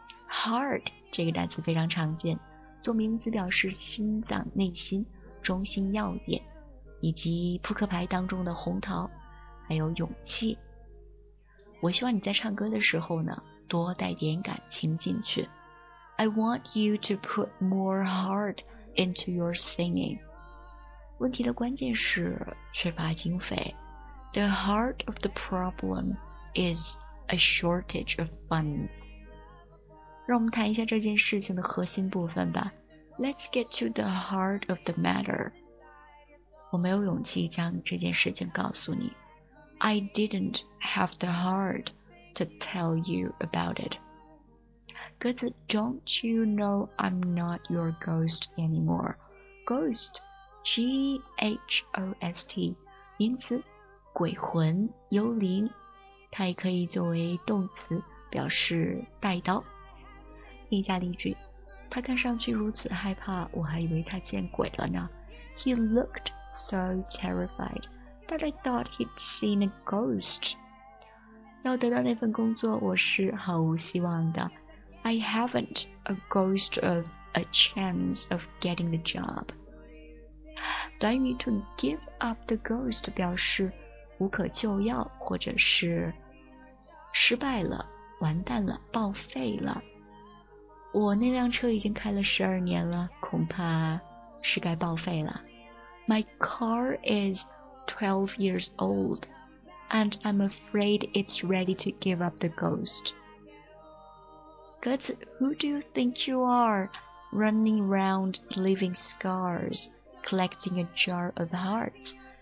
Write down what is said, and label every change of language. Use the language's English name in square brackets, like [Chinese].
[Chinese] Heart 这个单词非常常见，做名词表示心脏、内心、中心、要点，以及扑克牌当中的红桃，还有勇气。我希望你在唱歌的时候呢，多带点感情进去。 [English] I want you to put more heart into your singing。 [Chinese] 问题的关键是缺乏经费。 [English] The heart of the problem isA shortage of funds。 [Chinese] 让我们谈一下这件事情的核心部分吧。 [English] Let's get to the heart of the matter。 [Chinese] 我没有勇气将这件事情告诉你。 [English] I didn't have the heart to tell you about it。歌词 Don't you know I'm not your ghost anymore。 [Chinese] Ghost G-H-O-S-T 名词鬼魂、幽灵，它也可以作为动词表示带刀。听一下例句，他看上去如此害怕，我还以为他见鬼了呢。 [English] He looked so terrified that I thought he'd seen a ghost。 [Chinese] 要得到那份工作，我是毫无希望的。 [English] I haven't a ghost of a chance of getting the job。 [Chinese] 短语 [English] to give up the ghost [Chinese] 表示无可救药，或者是失败了、完蛋了、报废了。我那辆车已经开了12年了，恐怕是该报废了。 [English] My car is 12 years old and I'm afraid it's ready to give up the ghost。歌词 Who do you think you are running around leaving scars collecting a jar of hearts。